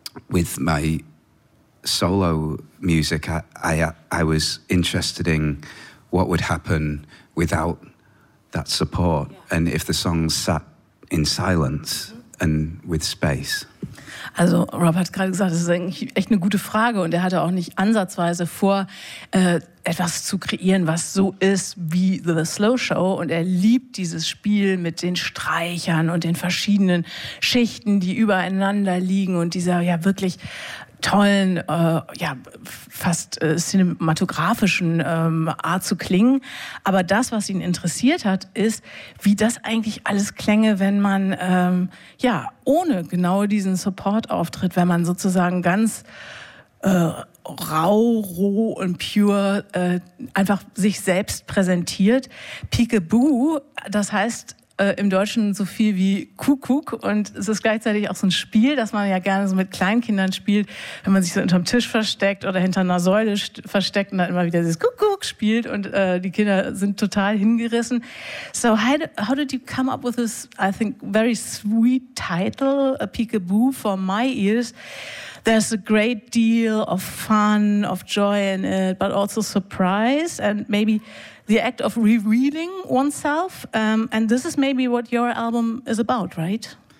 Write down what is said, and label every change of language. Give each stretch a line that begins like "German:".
English: With my solo music, I was interested in what would happen without that support, and if the songs sat in silence and with space.
German: Also Rob hat gerade gesagt, das ist eigentlich echt eine gute Frage und er hatte auch nicht ansatzweise vor, etwas zu kreieren, was so ist wie The Slow Show, und er liebt dieses Spiel mit den Streichern und den verschiedenen Schichten, die übereinander liegen und dieser ja wirklich tollen, fast cinematografischen Art zu klingen. Aber das, was ihn interessiert hat, ist, wie das eigentlich alles klänge, wenn man ohne genau diesen Support auftritt, wenn man sozusagen ganz rau, roh und pure einfach sich selbst präsentiert. Peekaboo, das heißt im Deutschen so viel wie Kuckuck, und es ist gleichzeitig auch so ein Spiel, das man ja gerne so mit Kleinkindern spielt, wenn man sich so hinterm Tisch versteckt oder hinter einer Säule versteckt und dann immer wieder dieses Kuckuck spielt und die Kinder sind total hingerissen.
English: So how did you come up with this, I think, very sweet title, a Peekaboo for my ears? There's a great deal of fun, of joy in it, but also surprise and maybe the act of revealing oneself, and this is maybe what your album is about, right?